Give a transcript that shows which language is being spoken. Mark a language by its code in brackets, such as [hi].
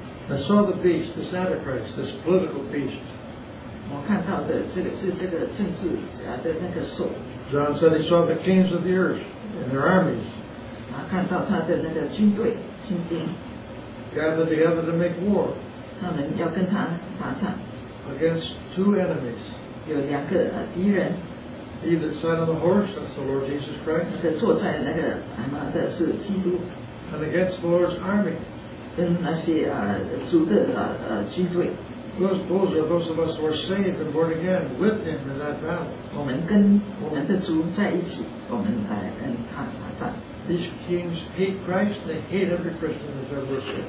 [en] I saw the beast, this Antichrist, this political beast. [zh] 我看到的这个是这个政治家的那个兽。 [en] John said he saw the kings of the earth and their armies. [zh] 他看到他的那个军队、军兵。 [en] Gathered together to make war. [zh] 他们要跟他打仗。 [en] Against two enemies. [zh] 有两个敌人。 [en] He that sat on the horse, that's the Lord Jesus Christ. [zh] 那个坐在那个马的是基督。 [en] And against the Lord's army. [zh] 跟那些主的军队。 [en] Those are those of us who are saved and born again with him in that battle. [zh] 我们跟我们的主在一起，我们来跟他打仗。 [en] These kings hate Christ. They hate every Christian that's ever lived.